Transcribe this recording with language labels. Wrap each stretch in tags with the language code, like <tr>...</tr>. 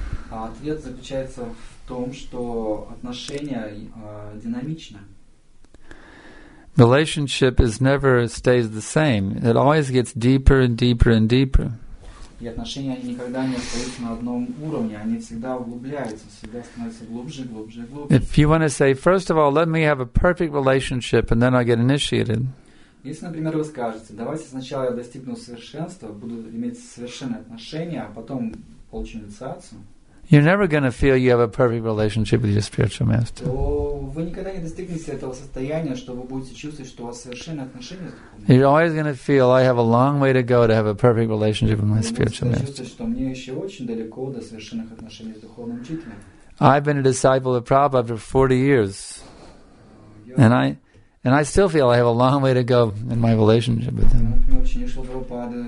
<ru>Ответ заключается в том, что отношения динамичны.</ru> <en>Relationship is never stays the same. It always gets deeper and deeper and deeper.</en> <ru>И отношения никогда не остаются на одном уровне, они всегда углубляются, всегда становятся глубже, глубже, глубже.</ru> <en>If you want to say, first of all, let me have a perfect relationship and then I get initiated.</en> <ru>Если, например, вы скажете, давайте сначала я достигну совершенства, буду иметь совершенные отношения, а потом получу инициацию.</ru> <en>You're never going to feel you have a perfect relationship with your spiritual master.</en> <ru>Вы никогда не достигнете этого состояния, что вы будете чувствовать, что у вас совершенные отношения с духовным.</ru> <en>You're always going to feel I have a long way to go to have a perfect relationship with my spiritual master.</en> <ru>Вы будете чувствовать, что мне еще очень далеко до совершенных отношений с духовным учителем.</ru> <en>I've been a disciple of Prabhupada for 40 years. And I still feel I have a long way to go in my relationship with him.</en>